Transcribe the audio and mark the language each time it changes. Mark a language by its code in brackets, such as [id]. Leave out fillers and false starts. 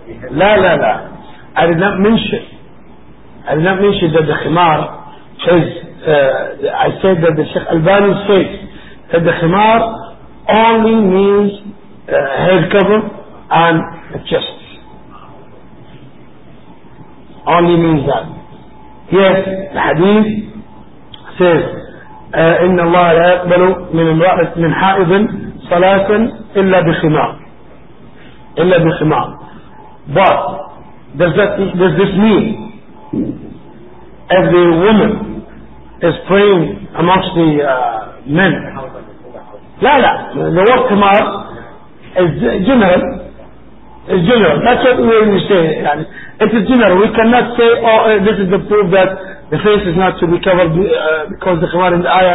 [en] the head of the Khamar. I did not mention that the Khamar is I said that the Sheikh Albani says that the khimar only means head cover and chest. Only means that. Yes, the hadith says [ar] إن الله لا يقبل من امرأة من حائض صلاة إلا بخمار إلا بخمار. [en] But does this mean if the woman is praying amongst the men? [ar] لا لا, [en] the word khimar is general. It's general. That's what we say. It is general. We cannot say, "Oh, this is the proof that the face is not to be covered because the khimar in the eye."